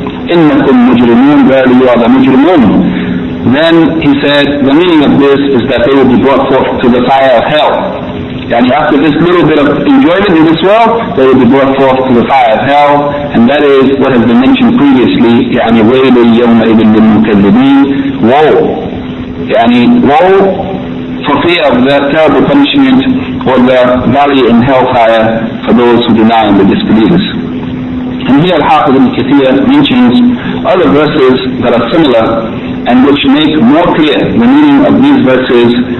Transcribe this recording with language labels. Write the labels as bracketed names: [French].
[Arabic] إِنَّكُمْ مُجْرِمُونَ [English] verily you are the مُجْرِمُونَ. Then he said, the meaning of this is that they will be brought forth to the fire of hell. And after this little bit of enjoyment in this world, they will be brought forth to the fire of hell. And that is what has been mentioned previously. [Arabic] يعني ويل يوم ابن المكذبين. [English] Woe. يعني woe for fear of the terrible punishment or the valley in hellfire for those who deny the disbelievers. And here Al-Hafidh al-Kathir mentions other verses that are similar and which make more clear the meaning of these verses.